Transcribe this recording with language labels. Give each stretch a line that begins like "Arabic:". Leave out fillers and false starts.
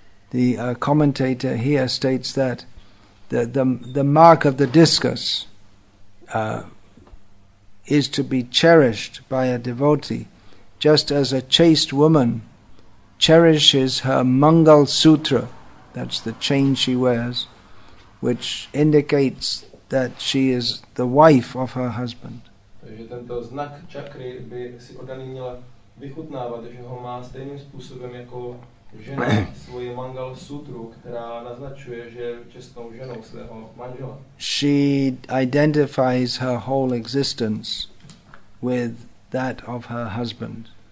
English: The commentator here states that the mark of the discus is to be cherished by a devotee. Just as a chaste woman cherishes her Mangal Sutra, that's the chain she wears, which indicates that she is the wife of her husband.
Czech: Takže tento znak čakry by si oddaný měl vychutnávat, že ho má stejným způsobem jako žena svoji Mangal Sutru, která naznačuje, že je čestnou ženou svého manžela.
English: She identifies her whole existence with that of her husband.